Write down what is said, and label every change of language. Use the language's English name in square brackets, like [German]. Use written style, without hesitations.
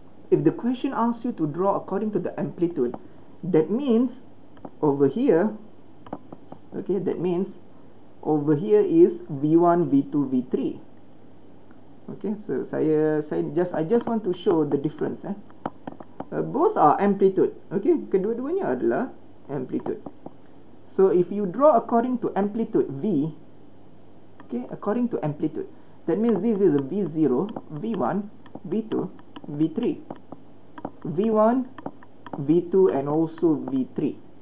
[English] If the question asks you to draw according to the amplitude, that means over here, okay, that means over here is V1, V2, V3. Okay, so I just want to show the difference. Both are amplitude. [Malay] Okay, kedua-duanya adalah amplitude. [English] So if you draw according to amplitude V, okay, according to amplitude, that means this is a V0, V1, V2, V3. V1, V2, and also V3.